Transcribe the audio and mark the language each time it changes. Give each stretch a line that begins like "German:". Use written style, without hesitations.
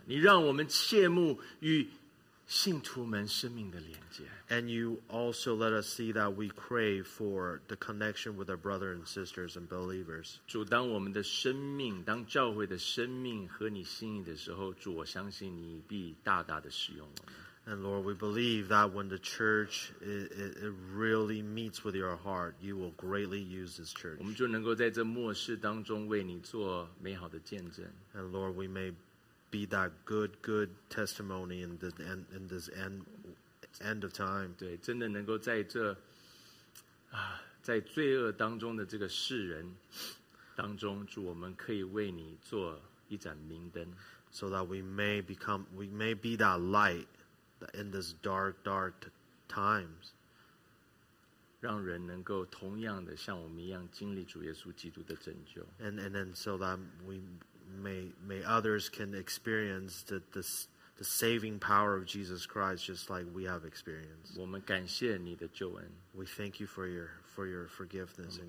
Chinese: 你让我们切慕与信徒们生命的连接。
English: And you also let us see that we crave for the connection with our brothers and sisters and believers.
Chinese: 主，当我们的生命，当教会的生命合你心意的时候，主，我相信你必大大的使用我们。
English: And Lord, we believe that when the church it really meets with your heart, you will greatly use this church.
Chinese: 我们就能够在这末世当中为你做美好的见证。
English: And Lord, we may be that good testimony in this end of time.
Chinese: 对，真的能够在这在罪恶当中的这个世人当中，主，我们可以为你做一盏明灯。
English: So that we may be that light. In this dark times,
Chinese: 让人能够同样的像我们一样经历主耶稣基督的拯救。
English: And then so that we may others can experience the saving power of Jesus Christ just like we have experienced.
Chinese: 我们感谢你的救恩。
English: We thank you for your forgiveness and grace.